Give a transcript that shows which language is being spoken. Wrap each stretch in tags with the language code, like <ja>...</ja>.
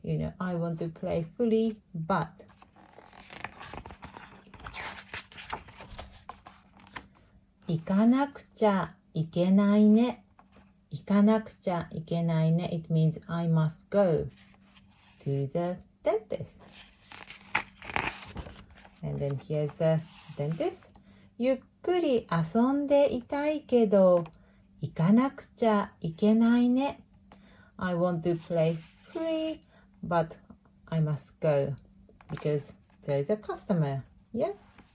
<en>You know, I want to play fully, but...</en> <ja>行かなくちゃいけないね。行かなくちゃいけないね。</ja> <en>It means I must go to the dentist. And then here's the dentist.</en> <ja>ゆっくり遊んでいたいけど、行かなくちゃいけないね。</ja> <en>I want to play free, but I must go because there is a customer. Yes?</en>